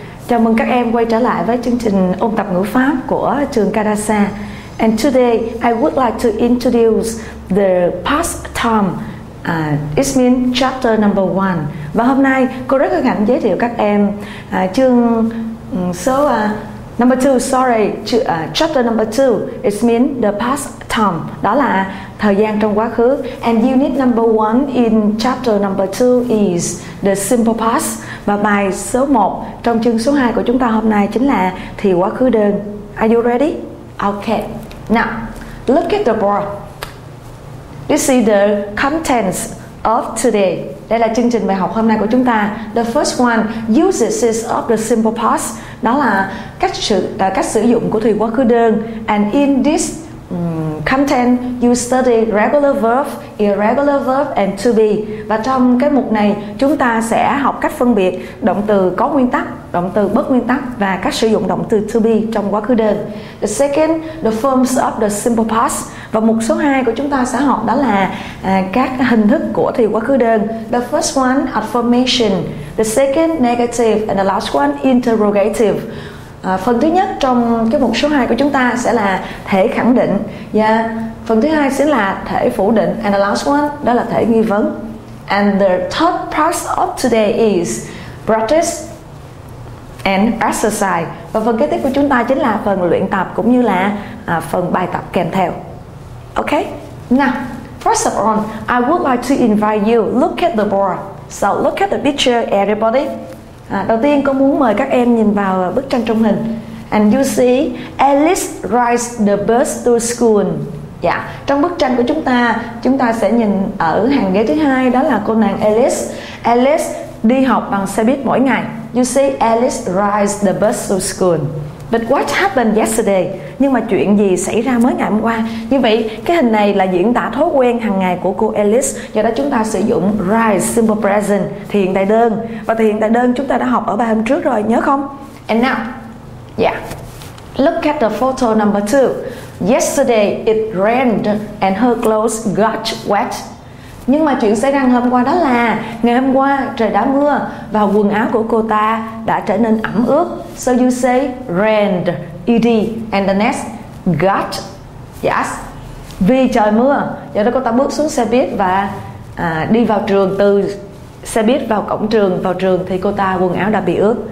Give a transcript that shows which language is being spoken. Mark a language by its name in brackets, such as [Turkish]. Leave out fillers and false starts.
[Vietnamese] Chào mừng các em quay trở lại với chương trình ôn tập ngữ pháp của trường Kadasa. [English] And today I would like to introduce the past time. It means chapter number 1. [Vietnamese] Và hôm nay cô rất hân hạnh giới thiệu các em chương số [English] number 2, sorry, chapter number 2. It means the past time. [Vietnamese] Đó là thời gian trong quá khứ. [English] And unit number 1 in chapter number 2 is the simple past. [Vietnamese] Và bài số 1 trong chương số 2 của chúng ta hôm nay chính là thì quá khứ đơn. [English] Are you ready? Okay. Now, look at the board. This is the contents of today. [Vietnamese] Đây là chương trình bài học hôm nay của chúng ta. [English] The first one, uses of the simple past. [Vietnamese] Đó là cách sử dụng của thì quá khứ đơn. [English] And in this content, you study regular verb, irregular verb and to be. [Vietnamese] Và trong cái mục này, chúng ta sẽ học cách phân biệt động từ có nguyên tắc, động từ bất nguyên tắc và cách sử dụng động từ to be trong quá khứ đơn. [English] The second, the forms of the simple past. [Vietnamese] Và mục số 2 của chúng ta sẽ học đó là các hình thức của thì quá khứ đơn. [English] The first one, affirmation. The second, negative. And the last one, interrogative. [Vietnamese] Phần thứ nhất trong cái mục số 2 của chúng ta sẽ là thể khẳng định. Yeah. Phần thứ hai sẽ là thể phủ định. [English] And the last one, [Vietnamese] đó là thể nghi vấn. [English] And the third part of today is practice and exercise. [Vietnamese] Và phần kế tiếp của chúng ta chính là phần luyện tập cũng như là phần bài tập kèm theo. Ok. [English] Now, first of all, I would like to invite you look at the board. So look at the picture, everybody. [Vietnamese] Đầu tiên cô muốn mời các em nhìn vào bức tranh trong hình. [English] And you see Alice rides the bus to school. Yeah. [Vietnamese] Trong bức tranh của chúng ta sẽ nhìn ở hàng ghế thứ hai, đó là cô nàng Alice. Alice đi học bằng xe buýt mỗi ngày. [English] You see Alice rides the bus to school. But what happened yesterday? [Vietnamese] Nhưng mà chuyện gì xảy ra mới ngày hôm qua? Như vậy, cái hình này là diễn tả thói quen hàng ngày của cô Alice. Do đó chúng ta sử dụng rise, simple present, thì hiện tại đơn. Và thì hiện tại đơn chúng ta đã học ở bài hôm trước rồi, nhớ không? [English] And now, yeah, look at the photo number 2. Yesterday it rained and her clothes got wet. [Vietnamese] Nhưng mà chuyện xảy ra hôm qua đó là ngày hôm qua trời đã mưa và quần áo của cô ta đã trở nên ẩm ướt. [English] So you say rained, ed, and the next got, yes, [Vietnamese] vì trời mưa. Do đó cô ta bước xuống xe buýt và đi vào trường, từ xe buýt vào cổng trường, vào trường thì cô ta quần áo đã bị ướt.